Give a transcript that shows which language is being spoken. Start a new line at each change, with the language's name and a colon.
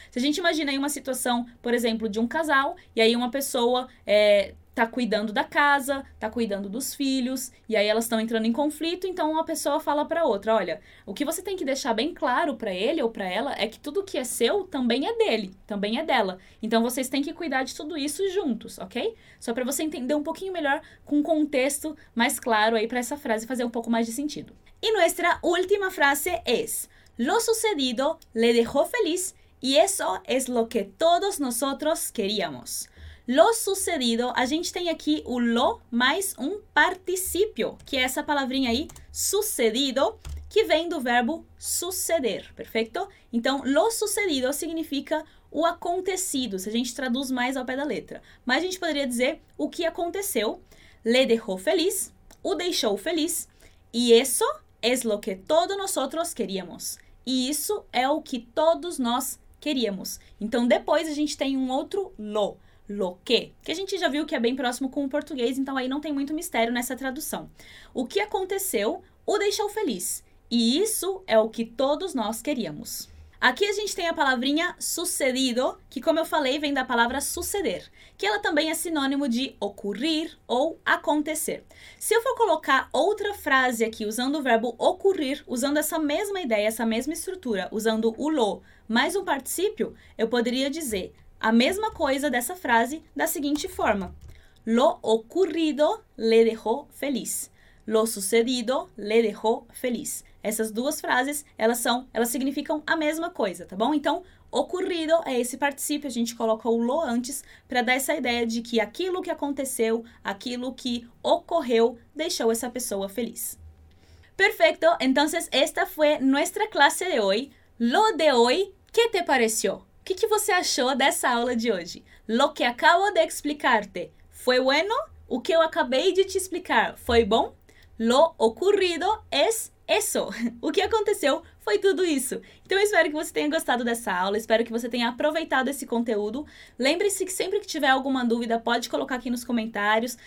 Portuguese: Se a gente imagina aí uma situação, por exemplo, de um casal, e aí uma pessoa tá cuidando da casa, tá cuidando dos filhos, e aí elas estão entrando em conflito, então uma pessoa fala pra outra, olha, o que você tem que deixar bem claro pra ele ou pra ela é que tudo que é seu também é dele, também é dela. Então vocês têm que cuidar de tudo isso juntos, ok? Só pra você entender um pouquinho melhor, com um contexto mais claro aí pra essa frase fazer um pouco mais de sentido. E nossa última frase é:
Spanish: Lo sucedido le dejó feliz y eso es lo que todos nosotros queríamos.
Portuguese: lo sucedido, a gente tem aqui o lo mais um particípio, que é essa palavrinha aí, sucedido, que vem do verbo suceder, perfeito? Então, lo sucedido significa o acontecido, se a gente traduz mais ao pé da letra. Mas a gente poderia dizer o que aconteceu.
Spanish: Le dejó feliz,
Portuguese: o deixou feliz.
Spanish: E eso es lo que todos nosotros queríamos.
Portuguese: E isso é o que todos nós queríamos. Então, depois a gente tem um outro lo. Lo que a gente já viu que é bem próximo com o português, então aí não tem muito mistério nessa tradução. O que aconteceu o deixou feliz. E isso é o que todos nós queríamos. Aqui a gente tem a palavrinha sucedido, que como eu falei, vem da palavra suceder, que ela também é sinônimo de ocorrer ou acontecer. Se eu for colocar outra frase aqui usando o verbo ocorrer, usando essa mesma ideia, essa mesma estrutura, usando o lo mais um particípio, eu poderia dizer a mesma coisa dessa frase da seguinte forma.
Spanish: Lo ocurrido le dejó feliz. Lo sucedido le dejó feliz.
Portuguese: Essas duas frases, elas significam a mesma coisa, tá bom? Então, ocorrido é esse particípio, a gente coloca o lo antes para dar essa ideia de que aquilo que aconteceu, aquilo que ocorreu, deixou essa pessoa feliz. Perfeito! Então, esta foi nossa classe de hoje.
Spanish: Lo de hoje, que te pareció?
Portuguese: O que você achou dessa aula de hoje?
Spanish: Lo que acabo de explicarte,
Portuguese: foi bueno? O que eu acabei de te explicar, foi bom?
Spanish: Lo ocurrido es eso.
Portuguese: O que aconteceu foi tudo isso. Então, eu espero que você tenha gostado dessa aula. Espero que você tenha aproveitado esse conteúdo. Lembre-se que sempre que tiver alguma dúvida, pode colocar aqui nos comentários.